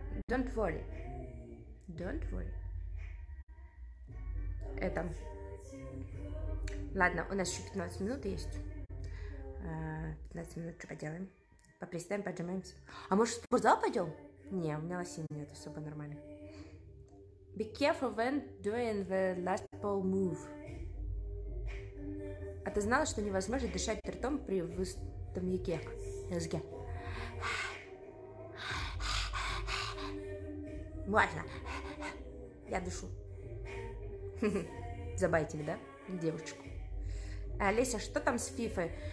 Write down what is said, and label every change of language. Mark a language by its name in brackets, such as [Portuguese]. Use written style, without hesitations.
[English] Don't worry. Don't worry. [Russian] Это. Ладно, у нас еще 15 минут есть. 15 минут, что поделаем? Поприседаем, поджимаемся. А может, в спортзал пойдем? Не, у меня лосины нет, особо нормально. [English] Be careful when doing the last pole move. [Russian] А ты знала, что невозможно дышать ртом при выстом яке? Языке. Можно. Я дышу. Забайтили, да? Девочку. Олеся, что там с Фифой?